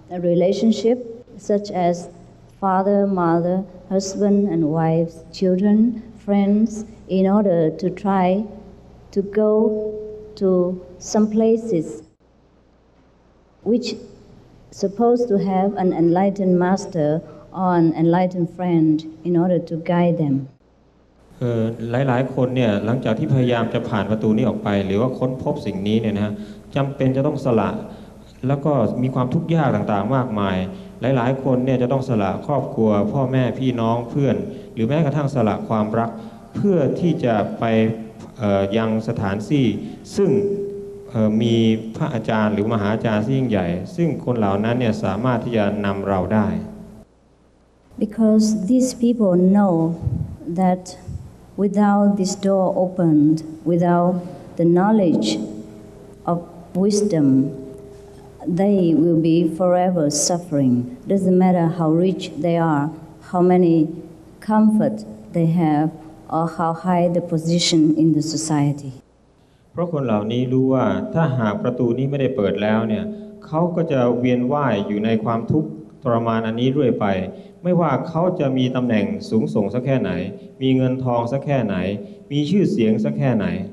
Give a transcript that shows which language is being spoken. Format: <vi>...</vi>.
<en>relationshipsuch as father, mother, husband and wives, children, friends, in order to try to go to some places which supposed to have an enlightened master or an enlightened friend in order to guide them.</en> <th>หลายๆคนเนี่ยหลังจากที่พยายามจะผ่านประตูนี้ออกไปหรือว่าค้นพบสิ่งนี้เนี่ยนะฮะจำเป็นจะต้องสละแล้วก็มีความทุกข์ยากต่างๆมากมายหลายๆคนเนี่ยจะต้องสละครอบครัวพ่อแม่พี่น้องเพื่อนหรือแม้กระทั่งสละความรักเพื่อที่จะไปยังสถานที่ซึ่งมีพระอาจารย์หรือมหาอาจารย์ที่ยิ่งใหญ่ซึ่งคนเหล่านั้นเนี่ยสามารถที่จะนำเราได้</th> <en>Because these people know that without this door opened without the knowledge of wisdomthey will be forever suffering doesn't matter how rich they are how many comfort they have or how high the position in the society</en> <th>เพราะคนเหล่านี้รู้ว่าถ้าหากประตูนี้ไม่ได้เปิดแล้วเนี่ยเขาก็จะเวียนว่ายอยู่ในความทุกข์ทรมานอันนี้เรื่อยไปไม่ว่าเขาจะมีตำแหน่งสูงส่งสักแค่ไหนมีเงินทองสักแค่ไหนมีชื่อเสียงสักแค่ไหน</th>